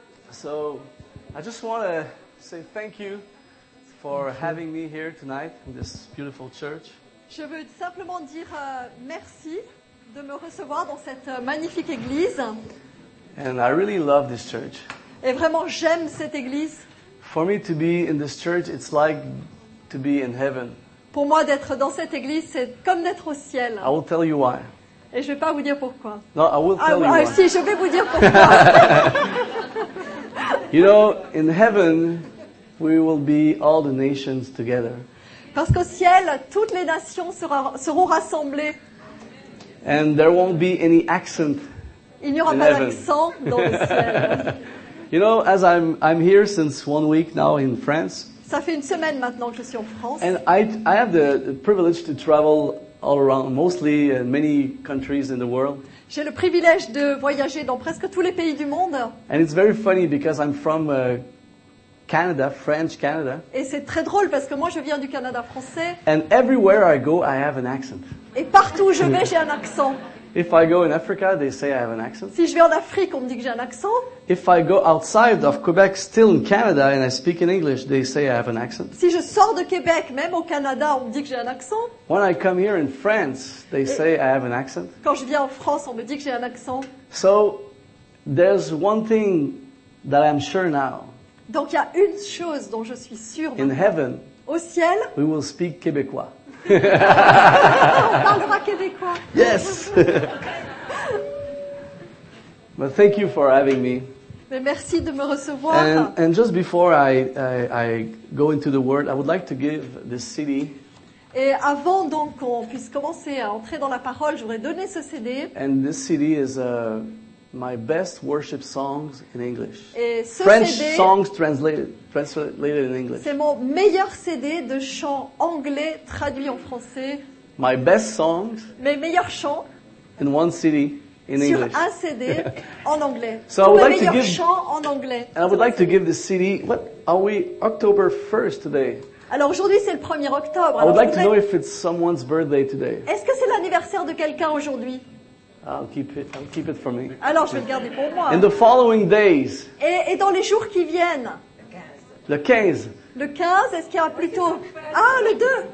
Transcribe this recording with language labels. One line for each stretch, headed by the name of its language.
English: So I just want to say thank you for having me here tonight in this beautiful church.
French: Je veux simplement dire merci de me recevoir dans cette magnifique église.
English: And I really love this church.
French: Et vraiment j'aime cette église.
English: For me to be in this church, it's like to be in heaven.
French: Pour moi d'être dans cette église, c'est comme d'être au ciel.
English: I will tell you why.
French: Et je vais pas vous dire pourquoi.
English: No, I will tell you why.
French: Si, je vais vous dire pourquoi.
English: You know, in heaven, we will be all the nations together.
French: Parce qu'au ciel, toutes les nations seront rassemblées.
English: And there won't be any accent.
French: Il n'y aura pas
English: heaven.
French: D'accent dans le ciel.
English: You know, as I'm here since 1 week now in France.
French: Ça fait une semaine maintenant que je suis en France.
English: And I have the privilege to travel all around, mostly in many countries in the world.
French: J'ai le privilège de voyager dans presque tous les pays du monde.
English: And it's very funny because I'm from Canada, French Canada.
French: Et c'est très drôle parce que moi je viens du Canada français.
English: And everywhere I go, I have an accent.
French: Et partout où je vais, j'ai un accent.
English: If I go in Africa, they say I have an accent.
French: Si je vais en Afrique, on me dit que j'ai un accent.
English: If I go outside of Quebec, still in Canada, and I speak in English, they say I have an accent.
French: Si je sors de Québec, même au Canada, on me dit que j'ai un accent.
English: When I come here in France, they say I have an accent.
French: Quand je viens en France, on me dit que j'ai un accent.
English: So, there's one thing that I'm sure now.
French: Donc il y a une chose dont je suis sûre.
English: In heaven,
French: au ciel,
English: we will speak Québécois.
French: On parlera québécois.
English: Yes. But thank you for having me.
French: Mais merci de me recevoir.
English: And just before I go into the word, I would like to give this CD.
French: Et avant donc qu'on puisse commencer à entrer dans la parole, je voudrais donner ce CD.
English: And this CD is my best worship songs in English.
French: Et ce
English: French CD, songs translated in English.
French: C'est mon meilleur CD de chants anglais traduits en français.
English: My best songs.
French: Mes meilleurs chants.
English: In one CD in
French: sur
English: English.
French: Sur un CD en anglais.
English: So I would like to give.
French: Mes meilleurs chants en anglais.
English: And I would like to give the CD. What are we October 1st today?
French: Alors aujourd'hui c'est le 1er octobre.
English: I would like to know if it's someone's birthday today.
French: Est-ce que c'est l'anniversaire de quelqu'un aujourd'hui?
English: I'll keep it for me.
French: Alors je vais le garder pour moi.
English: In the following days.
French: Et dans les jours qui viennent. Le 15. Le 15, est-ce qu'il y a plutôt le 2.